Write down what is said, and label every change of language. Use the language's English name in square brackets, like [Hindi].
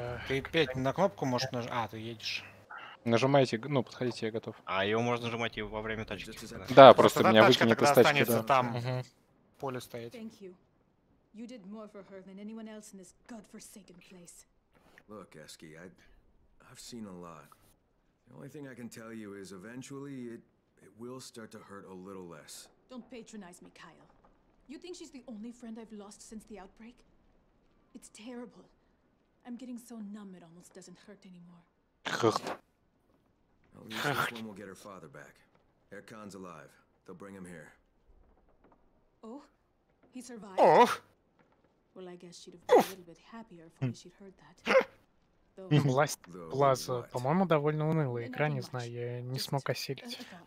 [Russian] Ты, Петь, на кнопку можешь нажать? А, ты едешь. Нажимайте, ну, подходите, я готов. А его можно нажимать и во время тачки. Да, просто меня выкинет из тачки, останется, Там, угу. Поле стоит. Спасибо. Ты сделал больше для нее, чем кто-нибудь в этом [English] годфорсакен [Russian] месте. [English] Look, Eski, I've seen a lot. The only thing I can tell you is eventually it will start to hurt a little less. Don't patronize me, Kyle. You think she's the only friend I've lost since the outbreak? It's terrible. I'm getting so numb it almost doesn't hurt anymore. At least this one will get her father back. Erkan's alive. They'll bring him here. Oh? He survived? Oh! Well, I guess she'd have been a little bit happier if she'd heard that. [Russian] Власть Плаза, по-моему, довольно унылая игра, не знаю, я не смог осилить.